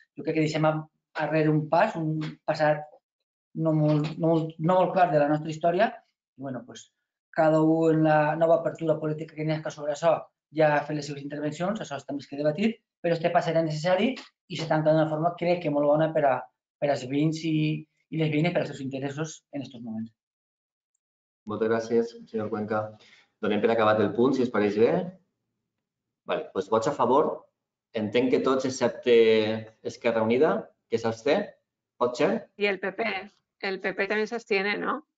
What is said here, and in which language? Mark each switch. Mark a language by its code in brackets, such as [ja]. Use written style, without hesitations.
[ca] Jo crec que deixem arrere un passat no molt clar de la nostra història. Bueno, pues, cada un en la nova apertura política que n'hi ha sobre això ja ha fet les seves intervencions, això està més que debatit, però este pas era necessari i se tanca d'una forma, crec que molt bona per als veïns [es] y les viene para sus intereses en estos momentos. Muchas gracias, señor Cuenca. [ca] Donem per acabat el punt, si os pareix bé. Vale, pues vots a favor. Entenc que tots, excepte Esquerra Unida, que s'absté, pot ser? I el PP. El PP també s'abstiene, no?